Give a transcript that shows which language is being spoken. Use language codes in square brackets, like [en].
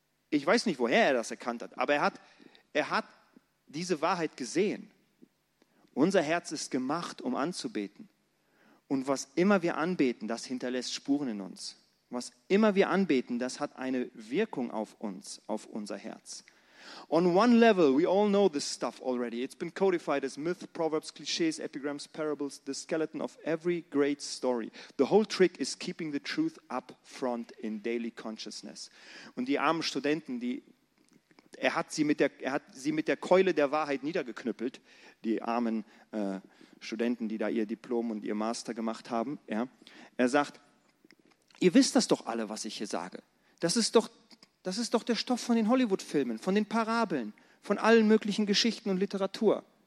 [de] Ich weiß nicht, woher er das erkannt hat, aber er hat diese Wahrheit gesehen. Unser Herz ist gemacht, um anzubeten. Und was immer wir anbeten, das hinterlässt Spuren in uns. Was immer wir anbeten, das hat eine Wirkung auf uns, auf unser Herz. [en] On one level, we all know this stuff already. It's been codified as myth, proverbs, clichés, epigrams, parables, the skeleton of every great story. The whole trick is keeping the truth up front in daily consciousness. [de] Und die armen Studenten, er hat sie mit der Keule der Wahrheit niedergeknüppelt, die armen Studenten, die da ihr Diplom und ihr Master gemacht haben. Ja. Er sagt, ihr wisst das doch alle, was ich hier sage. Das ist doch der Stoff von den Hollywood-Filmen, von den Parabeln, von allen möglichen Geschichten und Literatur.